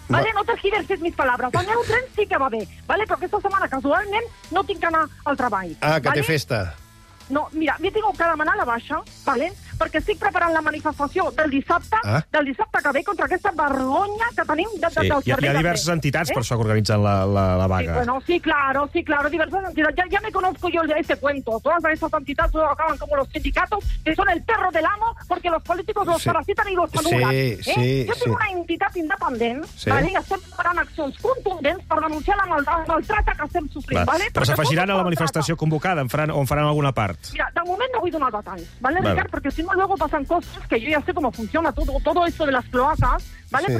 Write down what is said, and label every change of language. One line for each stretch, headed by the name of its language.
Catalan: No t'has diverses mis palabras. El meu tren sí que va bé. Però aquesta setmana, casualment, no tinc que anar al treball. Ah, que té festa. No, mira, jo tinc que demanar la baixa, vale? Perquè estic preparant la manifestació del dissabte, del dissabte que ve, contra aquesta vergonya que tenim del servei de Hi ha diverses entitats per això que organitzen la vaga. Sí, bueno, sí, claro, diverses entitats.
Spanish: Ja me conozco yo de ese cuento. Todas esas entitats acaban como los sindicatos, que son el perro del amo, porque los políticos los parasitan y los anulan.
Catalan: Sí, tinc una entitat independent, vale? I estem preparant accions contundents per denunciar la maltrata que estem sofrint, vale? Però s'afegiran a la manifestació convocada, en faran alguna part. Mira, de moment no vull donar detalls, vale, Ricard? Perquè si no,
Spanish: luego pasan cosas que yo ya sé cómo funciona todo esto de las cloacas, ¿vale? Sí.